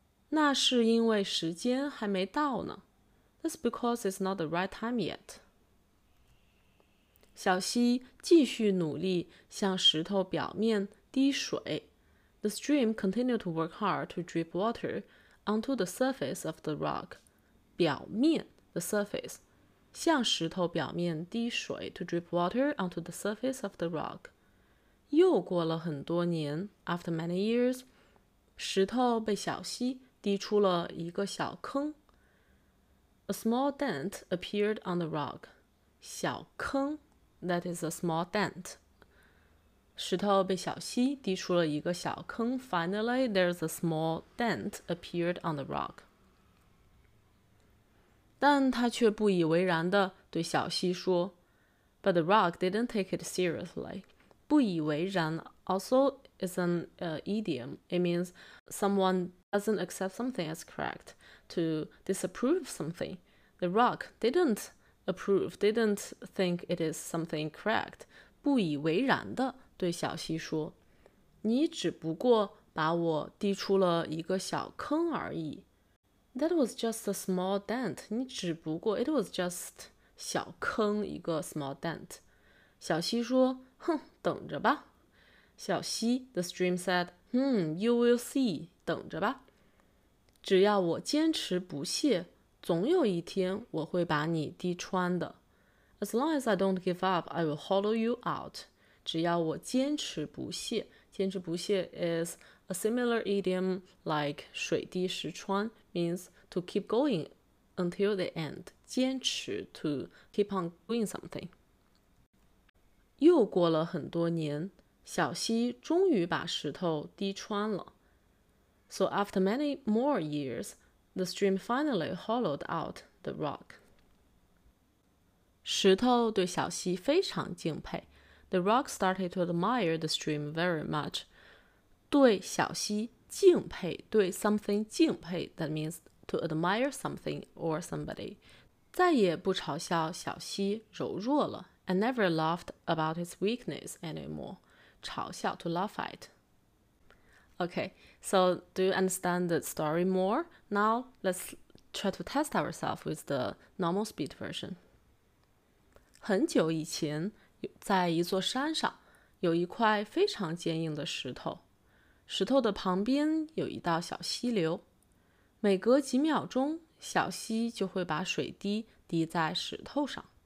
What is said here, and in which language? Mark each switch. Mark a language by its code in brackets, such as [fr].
[zh] 那是因为时间还没到呢。 [en] That's because it's not the right time yet. [zh] 小溪继续努力向石头表面滴水。 [en] The stream continued to work hard to drip water onto the surface of the rock. 表面The surface, [zh] 向石头表面滴水 [en] to drip water onto the surface of the rock. [zh] 又过了很多年 [en] after many years, [zh] 石头被小溪滴出了一个小坑。 [en] A small dent appeared on the rock. 小坑 that is a small dent. [zh] 石头被小溪滴出了一个小坑 [en] finally, there's a small dent appeared on the rock. [zh] 但他却不以为然地对小溪说 [en] But the rock didn't take it seriously. 不以为然 also is an idiom. It means someone doesn't accept something as correct, to disapprove something. The rock didn't approve, didn't think it is something correct. [zh] 不以为然地对小溪说你只不过把我滴出了一个小坑而已。 [en] That was just a small dent. [zh] 你只不过 [en] It was just 小坑一个 small dent. [zh] 小溪说哼等着吧。 [en] 小溪 The stream said, you will see, 等着吧。 [zh] 只要我坚持不懈总有一天我会把你滴穿的。 [en] As long as I don't give up, I will hollow you out. [zh] 只要我坚持不懈坚持不懈 [en] is a similar idiom like [zh] 水滴石穿。 [en] Means to keep going until the end, 坚持 to keep on doing something. [zh] 又过了很多年，小溪终于把石头滴穿了。 [en] So after many more years, the stream finally hollowed out the rock. [zh] 石头对小溪非常敬佩。 [en] The rock started to admire the stream very much. [zh] 对小溪敬佩， [en] 对 something 敬佩 that means to admire something or somebody. [zh] 再也不嘲笑小溪柔弱了。 [en] I never laughed about its weakness anymore. 嘲笑 to laugh at. Okay, so do you understand the story more? Now let's try to test ourselves with the normal speed version. [zh] 很久以前，在一座山上，有一块非常坚硬的石头。石头的旁边有一道小溪流，每隔几秒钟，小溪就会把水滴滴在石头上。